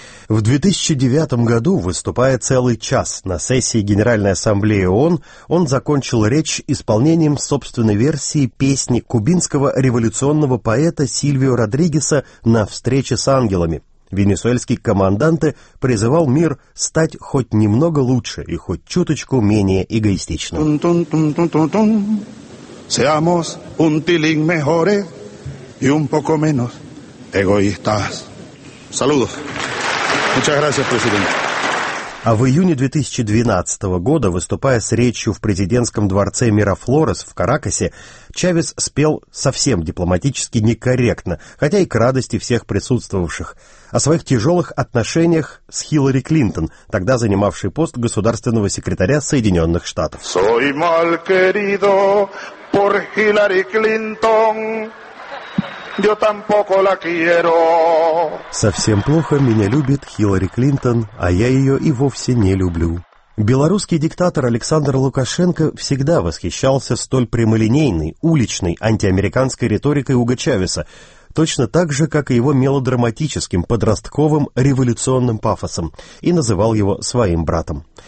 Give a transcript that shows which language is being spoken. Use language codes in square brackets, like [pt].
[ru] В 2009 году, выступая целый час на сессии Генеральной Ассамблеи ООН, он закончил речь исполнением собственной версии песни кубинского революционного поэта Сильвио Родригеса «На встрече с ангелами». Венесуэльский командант призывал мир стать хоть немного лучше и хоть чуточку менее эгоистичным. [es] Seamos un tiling mejores y un poco menos egoístas. Saludos. Muchas gracias, presidente. [ru] А в июне 2012 года, выступая с речью в президентском дворце Мирафлорес в Каракасе, Чавес спел совсем дипломатически некорректно, хотя и к радости всех присутствовавших, о своих тяжелых отношениях с Хиллари Клинтон, тогда занимавшей пост государственного секретаря Соединенных Штатов. [es] Soy mal querido por Hillary Clinton. Yo tampoco la quiero. [ru] Совсем плохо меня любит Хиллари Клинтон, а я ее и вовсе не люблю. Белорусский диктатор Александр Лукашенко всегда восхищался столь прямолинейной, уличной, антиамериканской риторикой Уго Чавеса, точно так же, как и его мелодраматическим, подростковым, революционным пафосом, и называл его своим братом.